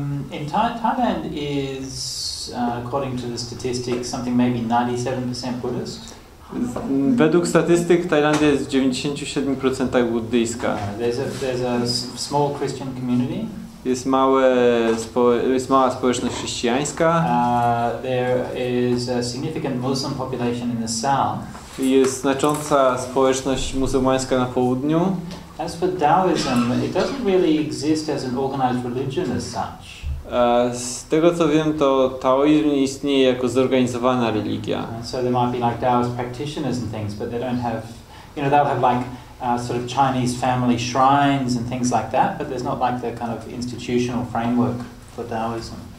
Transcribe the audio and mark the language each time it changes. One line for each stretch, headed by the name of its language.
English: Thailand is according to the statistics something maybe 97% Buddhist.
Polish: Według statystyk Tajlandia jest w 97% buddyjska.
English: There's a small Christian community.
Polish: Jest mała społeczność chrześcijańska.
English: There is a significant Muslim population in the south.
Polish: jest znacząca społeczność muzułmańska na południu.
English: As for Taoism, it doesn't really exist as an organized religion as such.
Polish: Z tego co wiem, to taoizm nie istnieje jako zorganizowana religia.
English: So there might be like Taoist practitioners and things, but they don't have, you know, they'll have like sort of Chinese family shrines and things like that, but there's not like the kind of institutional framework for Taoism.